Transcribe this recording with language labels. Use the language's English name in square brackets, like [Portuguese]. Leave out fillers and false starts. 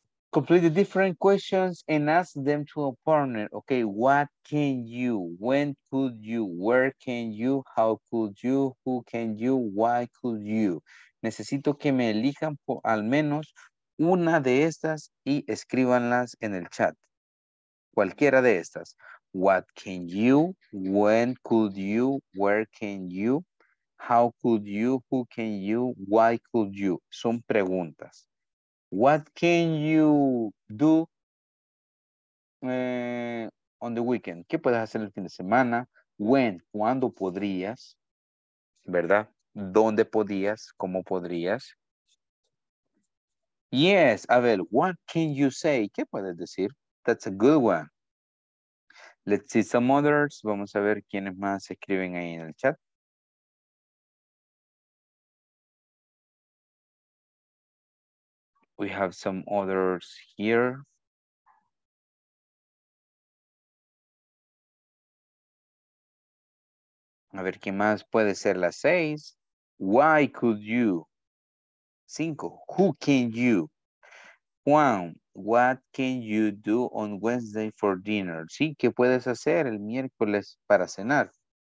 [English] Complete the different questions and ask them to a partner. Okay, what can you, when could you, where can you, how could you, who can you, why could you? [Spanish] Necesito que me elijan por al menos una de estas y escríbanlas en el chat. Cualquiera de estas. [English] What can you, when could you, where can you, how could you, who can you, why could you? [Spanish] Son preguntas. [English] What can you do on the weekend? [Spanish] ¿Qué puedes hacer el fin de semana? When, ¿cuándo podrías? ¿Verdad? ¿Dónde podías? ¿Cómo podrías? Yes, a ver, [English] what can you say? [Spanish] ¿Qué puedes decir? [English] That's a good one. Let's see some others. [Spanish] Vamos a ver quiénes más escriben ahí en el chat. [English] We have some others here. [Spanish] A ver, ¿qué más puede ser las seis? [English] Why could you? Cinco, who can you? Juan, what can you do on Wednesday for dinner? [Spanish] Sí, ¿qué puedes hacer el miércoles para cenar?